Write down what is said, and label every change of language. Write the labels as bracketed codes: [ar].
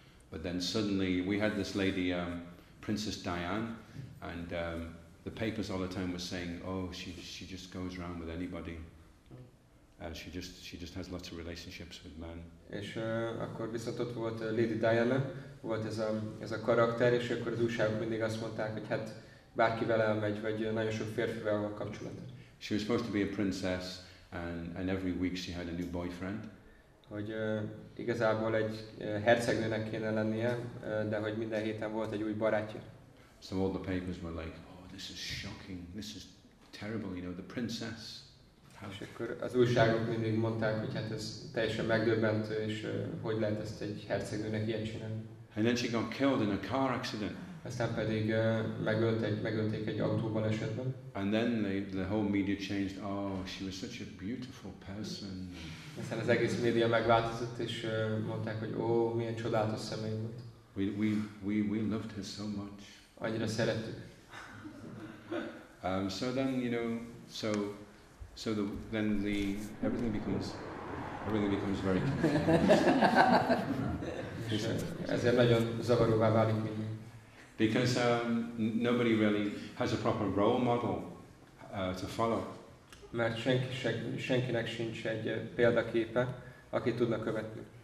[en] But then suddenly we had this lady, Princess Diane, and the papers all the time were saying, oh, she just goes around with anybody. She just has lots of relationships with men. [hu] És akkor viszont ott volt Lady Diana, volt ez a karakter, és akkor az újságok mindig azt mondták, hogy hát bárkivel elmegy, vagy nagyon sok férfivel van kapcsolat. [en] She was supposed to be a princess, and every week she had a new boyfriend. [hu] Hogy igazából egy hercegnőnek kéne lennie, de hogy minden héten volt egy új barátja. [en] So all the papers were like, oh, this is shocking, this is terrible, you know, the princess. [hu] És akkor az újságok mindig mondták, hogy hát ez teljesen megdöbbentő, és hogy lehet ezt egy hercegnőnek ilyen csinálni. [en] And then she got killed in a car accident. [hu] Aztán pedig megölték egy autóbalesetben. [en] And then the whole media changed. Oh, she was such a beautiful person. [hu] Aztán az egész média megváltozott, és mondták, hogy ó, milyen csodálatos személy volt. [en] We loved her so much. [hu] Annyira szerettük. [en] So then, you know, So then everything becomes very confused. [hu] Ezért nagyon zavaróvá válik minden. [en] Because nobody really has a proper role model to follow. [hu] Mert senkinek sincs egy példaképe, aki tudna követni.